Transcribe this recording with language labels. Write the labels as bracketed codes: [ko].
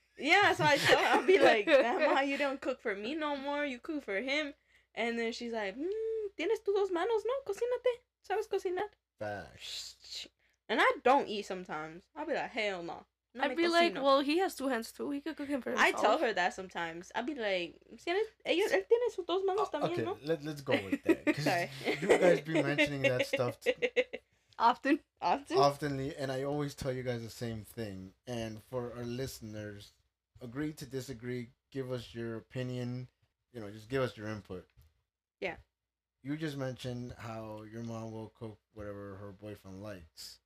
[en] Yeah, so I'll be like, Mom, you don't cook for me no more. You cook for him. And then she's like, [es] tienes tus dos manos, no? Cocínate. ¿Sabes cocinar? [en] Facts. And I don't eat sometimes. I'll be like, hell no. I'd be like, well, he has two hands too. He could cook him for himself. I tell her that sometimes. I'd be like, [es] él tiene sus dos manos también, okay, ¿no? [en] Let's go with that. Because you guys be mentioning that stuff often. And I always tell you guys the same thing. And for our listeners, agree to disagree. Give us your opinion. You know, just give us your input. Yeah. You just mentioned how your mom will cook whatever her boyfriend likes.